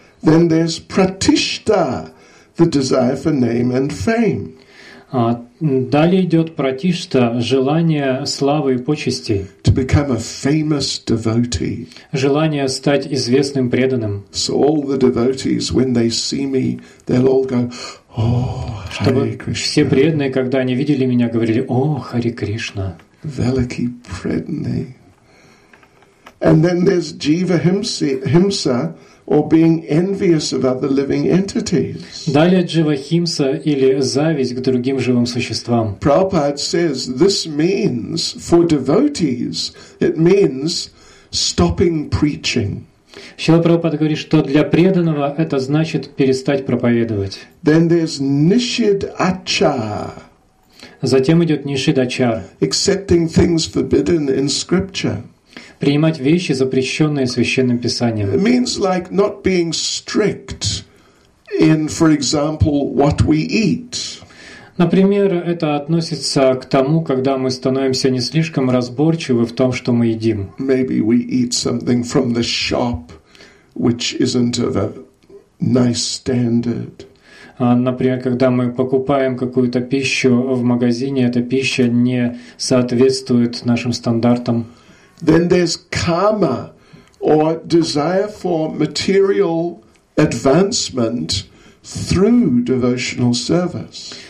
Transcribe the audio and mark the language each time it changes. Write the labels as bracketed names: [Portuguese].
[English] Then there's pratishta, the desire for name and fame. [Russian] Далее идет пратишта, желание славы и почестей. [English] To become a famous devotee. [Russian] Желание стать известным преданным. [English] So all the devotees, when they see me, they'll all go, oh, Hare Krishna. [Russian] Все преданные, когда они видели меня, говорили, о, Хари Кришна. Велики преданный. [English] And then there's jiva himsa. Or being envious of other living entities. [Russian] Далее дживахимса или зависть к другим живым существам. [English] Prabhupada says this means for devotees, it means stopping preaching. [Russian] Шрила Прабхупада говорит, что для преданного это значит перестать проповедовать. [English] Then there's nishidachar. [Russian] Затем идет нишидачар. [English] Accepting things forbidden in scripture. [Russian] Принимать вещи, запрещенные Священным Писанием. [English] It means like not being strict in, for example, what we eat. [Russian] Например, это относится к тому, когда мы становимся не слишком разборчивы в том, что мы едим. [English] Maybe we eat something from the shop, which isn't of a nice standard. [Russian] Например, когда мы покупаем какую-то пищу в магазине, эта пища не соответствует нашим стандартам. [English] Then there's karma, or desire for material advancement through devotional service.